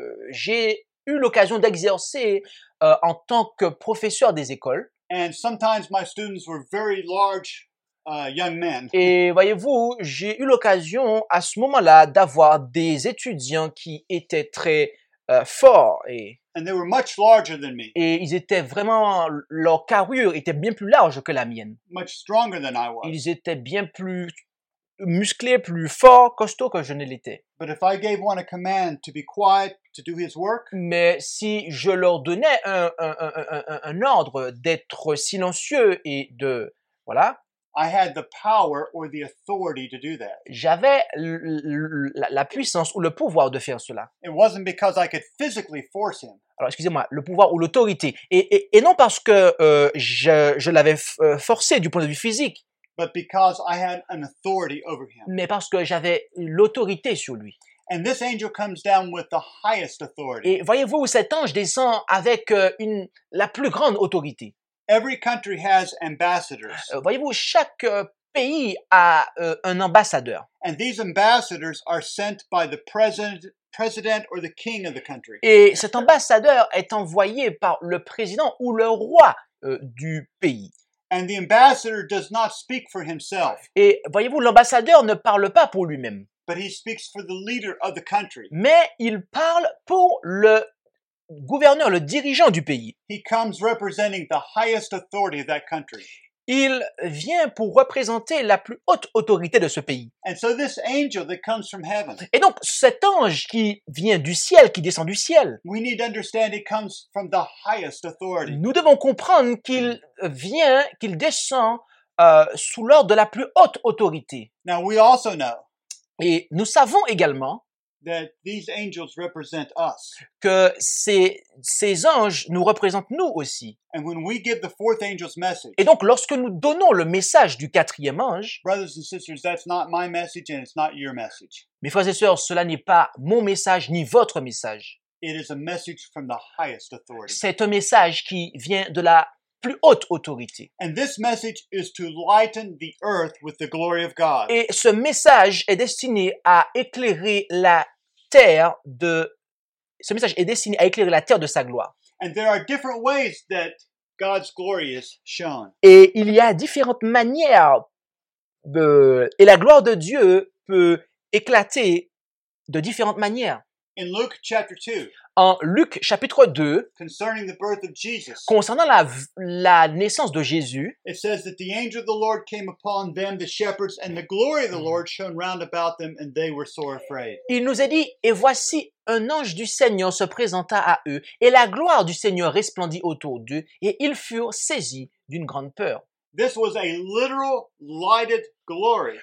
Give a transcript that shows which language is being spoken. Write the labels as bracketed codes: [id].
[fr] J'ai eu l'occasion d'exercer en tant que professeur des écoles. [en] And sometimes my students were very large young men. [fr] Et voyez-vous, j'ai eu l'occasion à ce moment-là d'avoir des étudiants qui étaient très forts et [en] and they were much larger than me. [fr] Et ils étaient vraiment leur carrure était bien plus large que la mienne. [en] Much stronger than I was. [fr] Ils étaient bien plus musclés, plus forts, costauds que je ne l'étais. [en] But if I gave one a command to be quiet to do his work, [fr] mais si je leur donnais un ordre d'être silencieux et de voilà, [en] I had the power or the authority to do that. [fr] J'avais la puissance ou le pouvoir de faire cela. [en] It wasn't because I could physically force him. [fr] Alors, excusez-moi, le pouvoir ou l'autorité. Et non parce que je l'avais forcé du point de vue physique. [en] But because I had an authority over him. [fr] Mais parce que j'avais l'autorité sur lui. [en] And this angel comes down with the highest authority. [fr] Et voyez-vous, cet ange descend avec la plus grande autorité. [en] Every country has ambassadors. [fr] Voyez-vous, chaque pays a un ambassadeur. [en] And these ambassadors are sent by the president or the king of the country. [fr] Et cet ambassadeur est envoyé par le président ou le roi du pays. [en] And the ambassador does not speak for himself. [fr] Et voyez-vous, l'ambassadeur ne parle pas pour lui-même. [en] But he speaks for the leader of the country. [fr] Mais il parle pour le gouverneur, le dirigeant du pays. [en] He comes representing the highest authority of that country. [fr] Il vient pour représenter la plus haute autorité de ce pays. [en] And so this angel that comes from heaven, [fr] et donc, cet ange qui vient du ciel, qui descend du ciel, [en] we need to understand it comes from the highest authority. [fr] Nous devons comprendre qu'il vient, qu'il descend sous l'ordre de la plus haute autorité. [en] Now we also know, [fr] et nous savons également [en] that these angels represent us. [fr] Que ces anges nous représentent nous aussi. [en] And when we give the fourth angel's message, [fr] et donc, lorsque nous donnons le message du quatrième ange, [en] brothers and sisters, that's not my message and it's not your message. [fr] Mes frères et sœurs, cela n'est pas mon message ni votre message. [en] It is a message from the highest authority. [fr] C'est un message qui vient de la plus haute autorité. [en] And this message is to lighten the earth with the glory of God. [fr] Et ce message est destiné à éclairer la terre de. Ce message est destiné à éclairer la terre de sa gloire. [en] And there are different ways that God's glory is shown. [fr] Et il y a différentes manières et la gloire de Dieu peut éclater de différentes manières. [en] In Luke chapter 2. [fr] En Luc chapitre 2, [en] concerning the birth of Jesus, [fr] concernant la naissance de Jésus, [en] it says that the angel of the Lord came upon them, the shepherds, and the glory of the Lord shone round about them, and they were sore afraid. [fr] Il nous a dit, et voici un ange du Seigneur se présenta à eux, et la gloire du Seigneur resplendit autour d'eux, et ils furent saisis d'une grande peur. [en] This was a literal lighted glory.